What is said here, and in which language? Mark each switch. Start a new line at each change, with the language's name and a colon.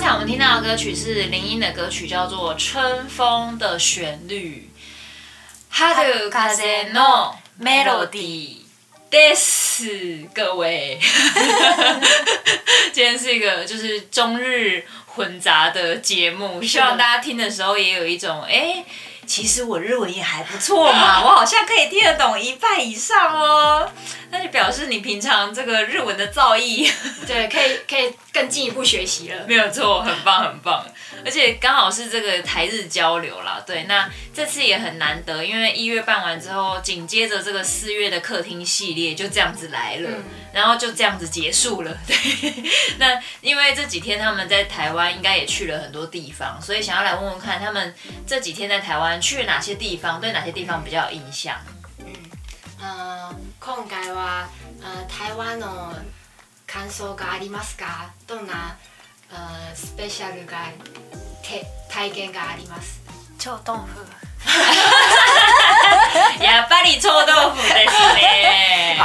Chinese: 听到的歌曲是林音的歌曲，叫做《春风的旋律》。
Japanese: 春風のメロディーです，
Chinese: 各位。今天是一个就是中日混杂的节目，希望大家听的时候也有一种哎。其实我日文也还不错嘛，我好像可以听得懂一半以上哦。那就表示你平常这个日文的造诣，对，可以更进一步学习了。没有错，很棒很棒。而且刚好是这个台日交流啦，对，那这次也很难得，因为一月办完之后，紧接着这个四月的客厅系列就这样子来了，然后就这样子结束了。对，那因为这几天他们在台湾应该也去了很多地方，所以想要来问问看他们这几天在台湾去了哪些地方，对哪些地方比较有印象。
Japanese: 今回は台湾の感想がありますか？どんなスペシャルが体験があります？臭豆腐。やっぱり臭豆腐ですね。